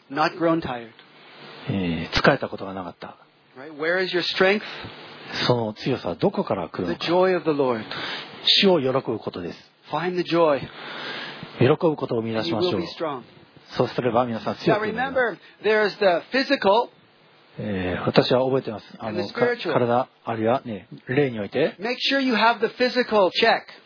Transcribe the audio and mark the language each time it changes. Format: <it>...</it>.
<en>Not grown tired.</en> <ja>疲れたことがなかった。</ja> <en>Right. Where is your strength?</en> <ja>その強さはどこから来るのか。</ja> <en>The joy of the Lord.</en> <ja>主を喜ぶことです。</ja> <en>Find the joy.</en> <ja>喜ぶことを見出しましょう。</ja> <en>And you will be strong.</en> <ja>そうすれば皆さん強くなります。</ja> <en>Now remember, there is the physical.</en> <ja>私は覚えてます。体あるいは、ね、霊において、</ja> <en>Make sure you have the physical check.</en>